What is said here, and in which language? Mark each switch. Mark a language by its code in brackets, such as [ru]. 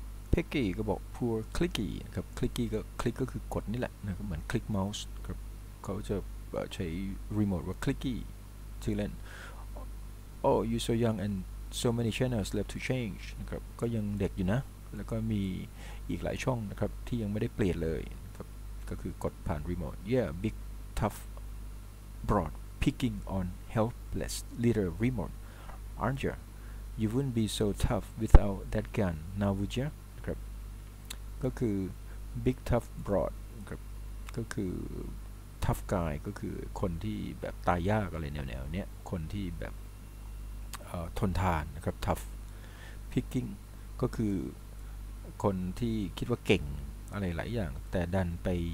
[th] เพ็กกี้ก็บอก poor clicky นะครับ clicky ก็คลิกก็คือกดนี่แหละนะครับเหมือนคลิกเมาส์ครับเขาจะใช้รีโมทว่า clicky ชื่อเล่น [en] Oh, you're so young and so many channels left to change. [th] นะครับก็ยังเด็กอยู่นะแล้วก็มีอีกหลายช่องนะครับที่ยังไม่ได้เปลี่ยนเลยครับก็คือกดผ่านรีโมท [en] Yeah, big, tough, broad, picking on helpless little remote. Aren't you? You wouldn't be so tough without that gun, now would you? [th] นะครับก็คือ [en] big, tough, broad. [th] ครับก็คือ tough guy ก็คือคนที่แบบตายยากอะไรแนวๆเนี้ยคนที่แบบทนทานนะครับ tough picking ก็คือคนที่คิดว่าเก่งอะไรหลายอย่างแต่ดันไป